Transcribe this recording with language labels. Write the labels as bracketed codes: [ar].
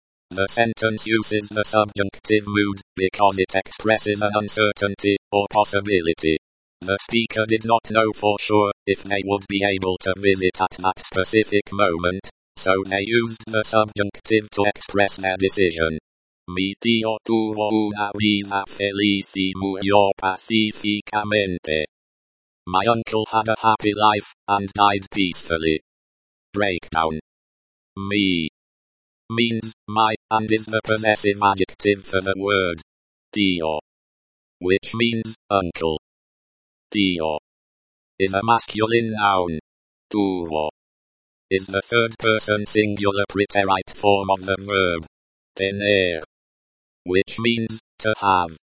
[en] The sentence uses the subjunctive mood because it expresses an uncertainty or possibility. The speaker did not know for sure if they would be able to visit at that specific moment, so they used the subjunctive to express their decision. [es] Mi tío tuvo una vida feliz y murió pacíficamente. [en] My uncle had a happy life and died peacefully. Breakdown. Mi means my and is the possessive adjective for the word tío, which means uncle. Tío is a masculine noun. Tuvo is the third person singular preterite form of the verb tener, which means to have.